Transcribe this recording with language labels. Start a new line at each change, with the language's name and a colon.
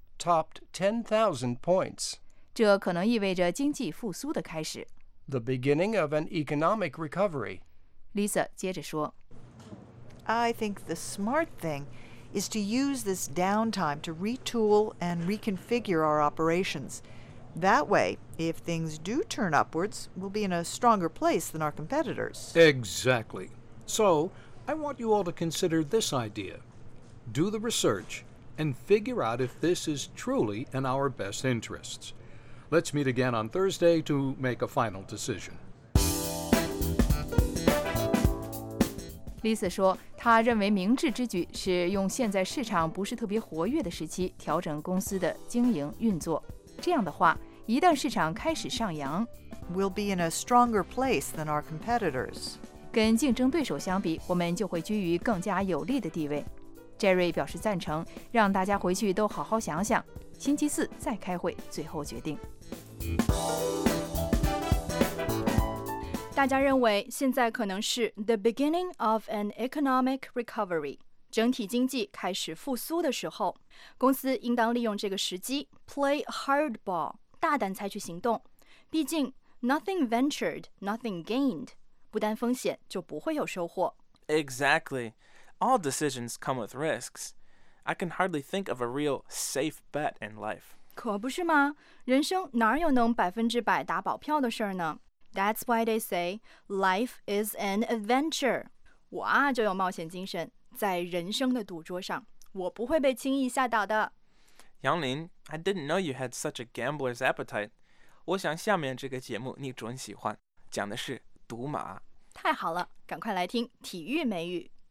English: ，topped 10,000 points.
Chinese: 这可能意味着经济复苏的开始。
English: The beginning of an economic recovery.
Chinese: Lisa 接着说
English: I think the smart thing is to use this downtime to retool and reconfigure our operations. That way, if things do turn upwards, we'll be in a stronger place than our competitors. Exactly. So, I want you all to consider this idea. Do the research and figure out if this is truly in our best interests. Let's meet again on Thursday to make a final decision.
Chinese: Lisa 说，她认为明智之举是用现在市场不是特别活跃的时期调整公司的经营运作。这样的话，一旦市场开始上扬
English: ，We'll be in a stronger place than our competitors.
Chinese: 跟竞争对手相比，我们就会居于更加有利的地位。 Jerry 表示赞成，让大家回去都好好想想。星期四再开会，最后决定。大家认为现在可能是
English: the beginning of an economic recovery，
Chinese: 整体经济开始复苏的时候，公司应当利用这个时机
English: play hardball，
Chinese: 大胆采取行动。毕竟
English: nothing ventured, nothing gained，
Chinese: 不担风险就不会有收获。
English: Exactly, all decisions come with risks. I can hardly think of a real safe bet in life.
Chinese: 可不是吗？人生哪有能百分之百打保票的事儿呢？
English: That's why they say life is an adventure.
Chinese: 我啊就有冒险精神，在人生的赌桌上，我不会被轻易吓倒的。
English: 杨林， I didn't know you had such a gambler's appetite.
Chinese: 我想下面这个节目你准喜欢，讲的是赌马。太好了，赶快来听体育美语。